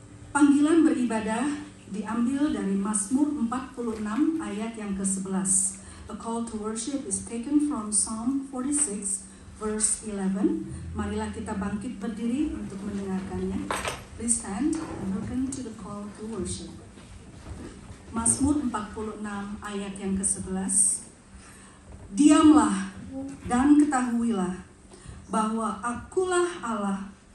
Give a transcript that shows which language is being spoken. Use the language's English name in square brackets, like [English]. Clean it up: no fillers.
[Indonesian] Ibadah diambil dari Mazmur 46 ayat yang ke-11. [English] A call to worship is taken from Psalm 46 verse 11. [Indonesian] Marilah kita bangkit berdiri untuk mendengarkannya. [English] Please stand and listen to the call to worship. [Indonesian] Mazmur 46 ayat yang ke-11. Diamlah dan ketahuilah bahwa akulah Allah.